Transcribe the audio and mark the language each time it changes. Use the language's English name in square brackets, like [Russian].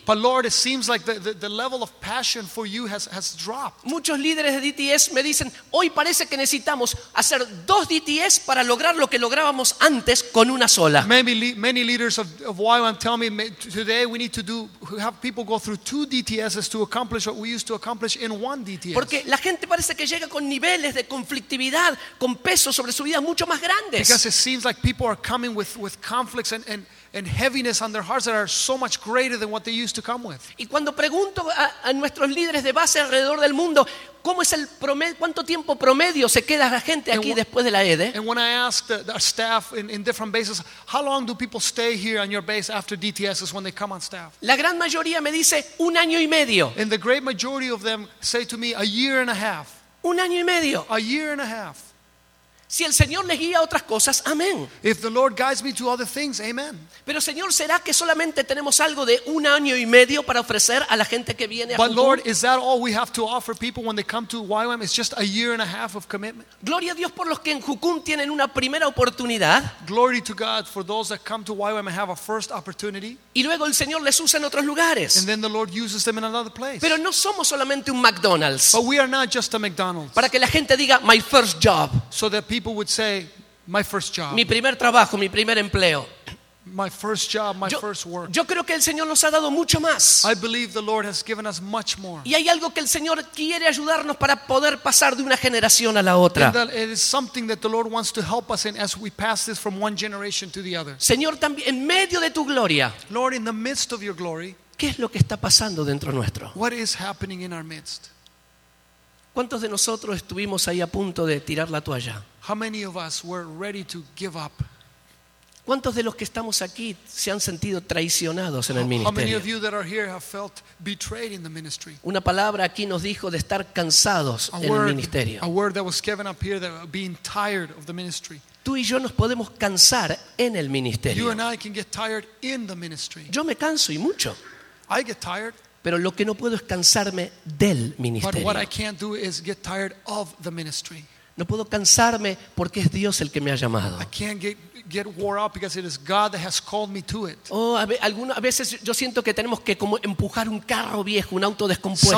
[English] But Lord, it seems like the level of passion for you has dropped. [Spanish] Muchos líderes de DTS me dicen, hoy parece que necesitamos hacer dos DTS para lograr lo que lográbamos antes con una sola. [English] Many leaders of YWAM tell me today we need to do have people go through two DTSs to accomplish what we used to accomplish in one DTS. [Spanish] Porque la gente parece que llega con niveles de conflictividad, con peso sobre su vida mucho más grandes. [English] Because it seems like people are coming with conflicts and heaviness on their hearts that are so much greater than what they used to come with. [Spanish] Y cuando pregunto a nuestros líderes de base alrededor del mundo, ¿cómo es el promedio, cuánto tiempo promedio se queda la gente aquí después de la EDE? [English] And when I ask the staff in different bases, how long do people stay here on your base after DTSs when they come on staff? [Spanish] La gran mayoría me dice un año y medio. [English] And the great majority of them say to me a year and a half. [Spanish] Un año y medio. [English] A year and a half. [Spanish] Si el Señor les guía a otras cosas, amén. [English] If the Lord guides me to other things, amen. [Spanish] Pero Señor, ¿será que solamente tenemos algo de un año y medio para ofrecer a la gente que viene a [English] Jungkook? But Lord, is that all we have to offer people when they come to YWAM? It's just a year and a half of commitment. [Spanish] Gloria a Dios por los que en Jungkook tienen una primera oportunidad. [English] Glory to God for those that come to YWAM and have a first opportunity. [Spanish] Y luego el Señor les usa en otros lugares. [English] And then the Lord uses them in another place. [Spanish] Pero no somos solamente un McDonald's. [English] But we are not just a McDonald's. [Spanish] Para que la gente diga, [English] my first job. So that people would say, my first job. [Spanish] Mi primer trabajo, mi primer empleo. [English] My first job, my first work. [Spanish] Yo creo que el Señor nos ha dado mucho más. [English] I believe the Lord has given us much more. [Spanish] Y hay algo que el Señor quiere ayudarnos para poder pasar de una generación a la otra. [English] And that it is something that the Lord wants to help us in as we pass this from one generation to the other. [Spanish] Señor, también en medio de tu gloria. [English] Lord, in the midst of your glory. [Spanish] ¿Qué es lo que está pasando dentro nuestro? [English] What is happening in our midst? [Spanish] ¿Cuántos de nosotros estuvimos ahí a punto de tirar la toalla? [English] How many of us were ready to give up? [Spanish] ¿Cuántos de los que estamos aquí se han sentido traicionados en el ministerio? [English] How many of you that are here have felt betrayed in the ministry? [Spanish] Una palabra aquí nos dijo de estar cansados en el ministerio. [English] A word that was given up here that being tired of the ministry. [Spanish] Tú y yo nos podemos cansar en el ministerio. [English] You and I can get tired in the ministry. [Spanish] Yo me canso y mucho. [English] I get tired. [Spanish] Pero lo que no puedo es cansarme del ministerio. [English] But what I can't do is get tired of the ministry. [Spanish] No puedo cansarme porque es Dios el que me ha llamado. [English] I can't get wore out because it is God that has called me to it. [Spanish] A veces yo siento que tenemos que como empujar un carro viejo, un auto descompuesto.